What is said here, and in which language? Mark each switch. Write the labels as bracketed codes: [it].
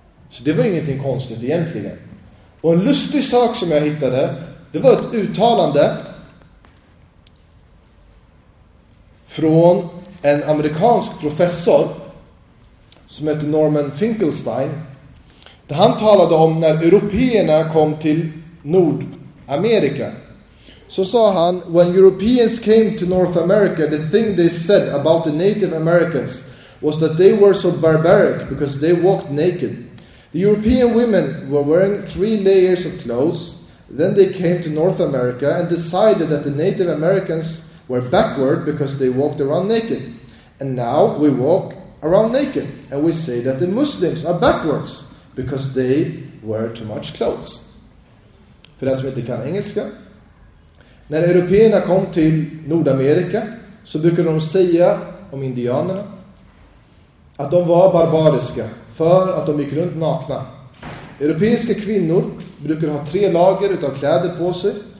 [sv] Så det var ingenting konstigt egentligen. Och en lustig sak som jag hittade, det var ett uttalande från en amerikansk professor som heter Norman Finkelstein. Där han talade om när européerna kom till Nordamerika. Så sa han, [en] "When Europeans came to North America, the thing they said about the Native Americans was that they were so barbaric because they walked naked. The European women were wearing 3 layers of clothes. Then they came to North America and decided that the Native Americans were backward because they walked around naked. And now we walk around naked and we say that the Muslims are backwards because they wear too much clothes." [sv] För det som inte kan engelska. När européerna kom till Nordamerika så brukade de säga om indianerna att de var barbariska. För att de gick runt nakna. Europeiska kvinnor brukar ha 3 lager utav kläder på sig.